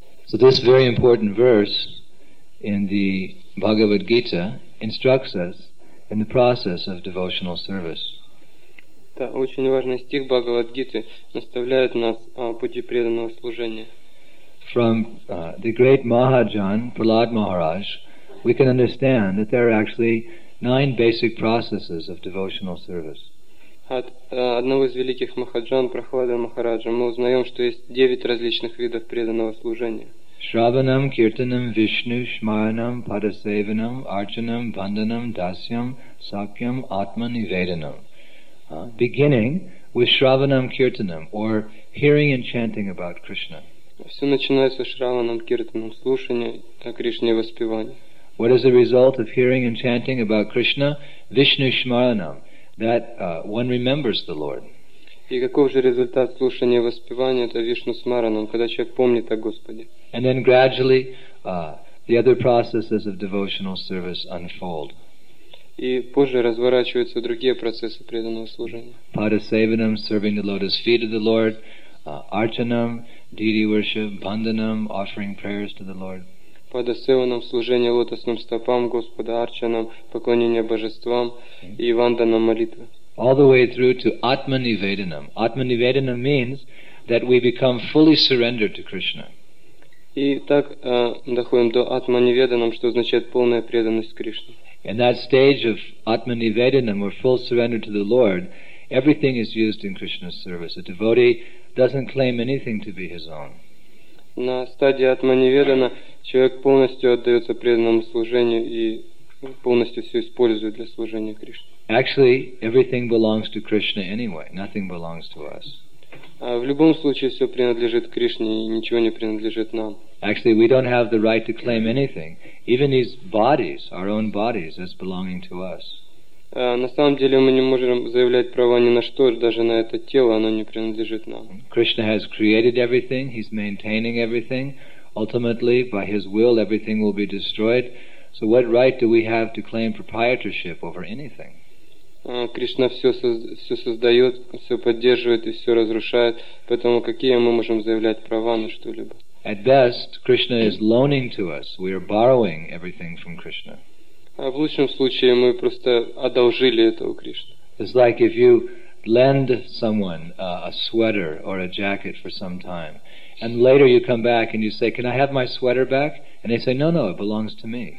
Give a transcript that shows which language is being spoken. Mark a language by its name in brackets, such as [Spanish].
[English] So this very important verse in the Bhagavad Gita instructs us in the process of devotional service. [Russian] Да, очень важный стих Бхагавад-гиты наставляет нас о пути преданного служения. [English] From the great Mahajan, Prahlad Maharaj, we can understand that there are actually 9 basic processes of devotional service. [Russian] От одного из великих Махаджан, Прахлада Махараджа, мы узнаем, что есть 9 различных видов преданного служения. [Sanskrit] Shravanam, Kirtanam, Vishnu, Shmaranam, Padasevanam, Archanam, Vandanam, Dasyam, Sakyam, Atman, Ivedanam. [English] Beginning with Shravanam Kirtanam, or hearing and chanting about Krishna. [Russian] Все начинается с Шраванам Киртанам, слушания о Кришне и воспевания. [English] What is the result of hearing and chanting about Krishna? Vishnu Shmaranam, that one remembers the Lord. [Russian] И каков же результат слушания и воспевания? Это Вишну Смаранам, когда человек помнит о Господе. [English] And then gradually, the other processes of devotional service unfold. [Russian] И позже разворачиваются другие процессы преданного служения. [English] Padasevanam, serving the lotus feet of the Lord, Archanam, deity worship, Vandanam, offering prayers to the Lord. [Russian] Padasevanam, служение лотосным стопам Господа, Archanam, поклонение божествам и Ванданам, молитвы. [English] All the way through to Atmanivedanam. Atmanivedanam means that we become fully surrendered to Krishna. [Russian] И так доходим до Атманиведанам, что означает полная преданность Кришне. [English] In that stage of Atmanivedanam, or full surrender to the Lord, everything is used in Krishna's service. A devotee doesn't claim anything to be his own. [Russian] На стадии Атманиведана человек полностью отдается преданному служению и полностью все использует для служения Кришне. [English] Actually, everything belongs to Krishna anyway. Nothing belongs to us. [Russian] В любом случае все принадлежит Кришне и ничего не принадлежит нам. [English] Actually, we don't have the right to claim anything, even these bodies, our own bodies, as belonging to us. [Russian] На самом деле мы не можем заявлять права ни на что, даже на это тело, оно не принадлежит нам. [English] Krishna has created everything, he's maintaining everything. Ultimately, by his will, everything will be destroyed. So what right do we have to claim proprietorship over anything? [Russian] Кришна все создает, все поддерживает и все разрушает, поэтому какие мы можем заявлять права на что-либо? [English] At best, Krishna is loaning to us. We are borrowing everything from Krishna. [Russian] В лучшем случае мы просто одолжили это у Кришны. [English] It's like if you lend someone a sweater or a jacket for some time, and later you come back and you say, "Can I have my sweater back?" And they say, "No, no, it belongs to me.